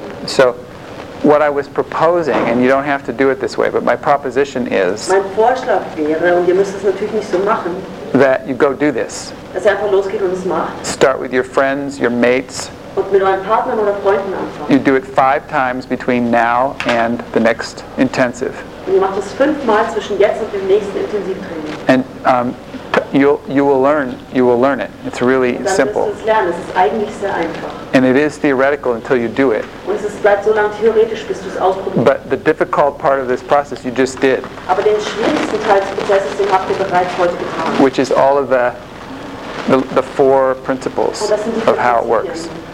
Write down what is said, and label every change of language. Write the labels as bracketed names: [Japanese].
[English] So, what I was proposing, and you don't have to do it this way, but my proposition is. [German] Mein Vorschlag wäre, und ihr müsst es natürlich nicht so machen. [English] That you go do this. [German] Dass ihr einfach losgeht und es macht. [English] Start with your friends, your mates. [German] Und mit euren Partnern oder Freunden anfangen. [English] You do it 5 times between now and the next intensive. [German] Und ihr macht es 5 Mal zwischen jetzt und dem nächsten Intensivtraining. [English] And You will learn it. It's really simple. [German] Und dann wirst du es lernen. Es ist eigentlich sehr einfach. [English] And it is theoretical until you do it. [German] Und es bleibt so lange theoretisch, bis du es ausprobierst. [English] But the difficult part of this process you just did. [German] Aber den schwierigsten Teil des Prozesses, den habt ihr bereits heute getan. [English] Which is all of the four principles of how it works.